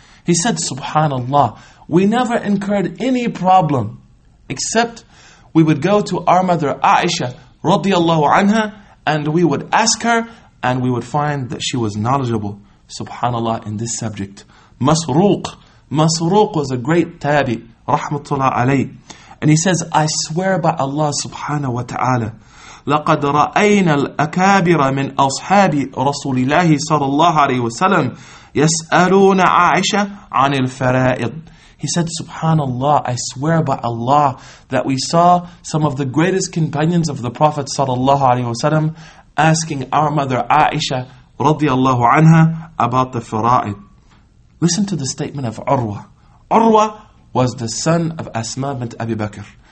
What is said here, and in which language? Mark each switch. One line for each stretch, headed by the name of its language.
English: He said, subhanAllah, we never incurred any problem, except we would go to our mother Aisha radiallahu anha, and we would ask her, and we would find that she was knowledgeable, subhanAllah, in this subject. Masruq, Masruq was a great tabi, rahmatullah alayh. And he says, I swear by Allah subhanahu wa ta'ala,
Arabic: لَقَدْ رَأَيْنَا الْأَكَابِرَ مِنْ أَصْحَابِ رَسُولِ اللَّهِ صَلَى اللَّهُ عَلَيْهِ وَسَلَمْ يَسْأَلُونَ عَائِشَ عَنِ الْفَرَائِضِ.
English: He said, subhanallah, I swear by Allah that we saw some of the greatest companions of the Prophet sallallahu alayhi wasallam asking our mother Aisha radiallahu anha about the fara'id. Listen to the statement of Urwa. Urwa was the son of Asma bint Abi Bakr.